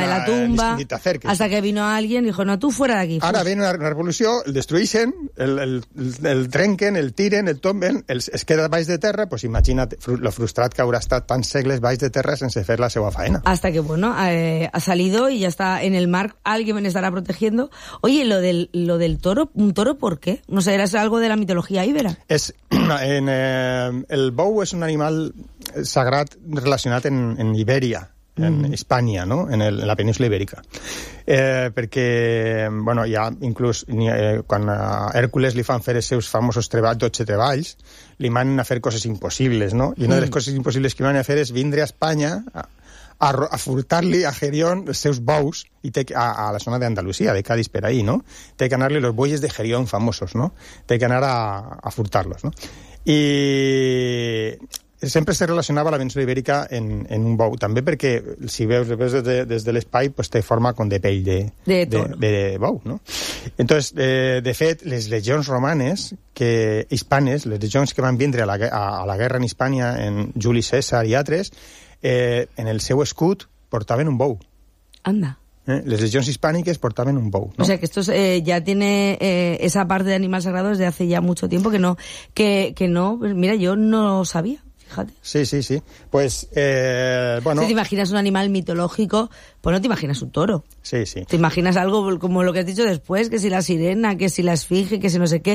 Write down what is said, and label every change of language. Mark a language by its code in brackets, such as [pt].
[es] de la tumba, hasta que vino alguien y dijo, no, tú fuera de aquí. [ca] Ara ve una revolució, el destruïxen, el trenquen, el tiren, el tomben, es queda baix de terra, pues imagina't lo frustrat que haurà estat tants segles baix de terra sense fer la seva faena. [es] Hasta que, bueno, ha salido y ya está en el mar, alguien me estará protegiendo. Oye, lo del toro, ¿un toro por qué? No sé, era algo de la mitología íbera. [ca] El bou es un animal sagrat relacionat en Ibèria, en Hispània, no? En la península ibèrica. Perquè, bueno, ja inclús quan a Hèrcules li fan fer els seus famosos 12 treballs, li manen a fer coses impossibles, no? I una de les coses impossibles que li manen a fer és vindre a Espanya a furtar-li a Gerión els seus bous i a la zona d'Andalusia, de Cádiz, per ahí, no? Té que anar-li [es] los bueyes [ca] de Gerión famosos, no? Té que anar a furtar-los, no? I sempre se relacionava la península ibèrica en un bou, també perquè, si veus des de l'espai, pues té forma com de pell de bou, no? Entonces, de fet, les legions romanes, hispanes, les legions que van vindre a la guerra en Hispània, en Juli César i altres, en el seu escut portaven un bou. Anda. Les legions hispàniques portaven un bou, no? [es] O sea, que estos ya tiene esa parte de animal sagrado desde hace ya mucho tiempo que no, mira, yo no sabía, fíjate. Sí. Pues, bueno... Si te imaginas un animal mitológico, pues no te imaginas un toro. Sí. Te imaginas algo como lo que has dicho después, que si la sirena, que si la esfinge, que si no sé qué.